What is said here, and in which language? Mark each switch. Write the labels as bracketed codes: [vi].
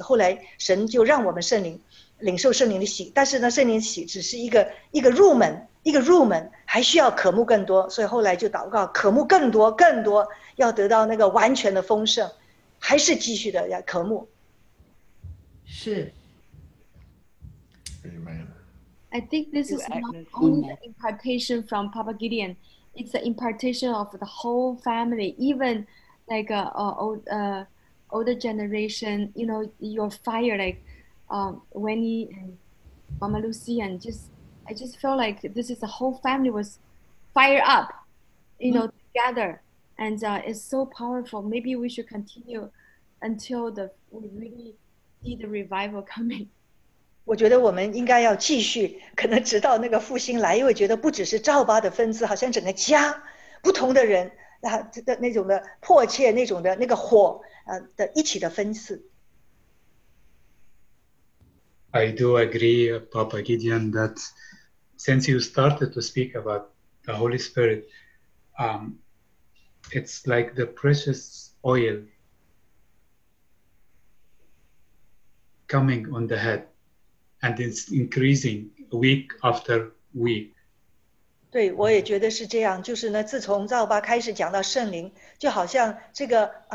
[zh] 后来神就让我们圣灵领受圣灵的喜，但是呢，圣灵喜只是一个入门。一个入门，还需要渴慕更多，所以后来就祷告渴慕更多更多，要得到那个完全的丰盛，还是继续的要渴慕。是。 [en] I think this is not only the impartation from Papa Gideon, it's the impartation of the whole family, even like older generation, you know, your fire, like Wenny, Mama Lucy, and justI just feel like this is the whole family was fired up, you know, together. And it's so powerful. Maybe we should continue until we really see the revival coming. [zh] 我觉得我们应该要继续，可能直到那个复兴来，因为觉得不只是赵八的分子，好像整个家，不同的人，那种的迫切，那种的那个火，的一起的分次。 [en] I do agree, Papa Gideon, that since you started to speak about the Holy Spirit, it's like the precious oil coming on the head, and it's increasing week after week. [zh] 对，我也觉得是这样。就是呢，自从赵八开始讲到圣灵，就好像这个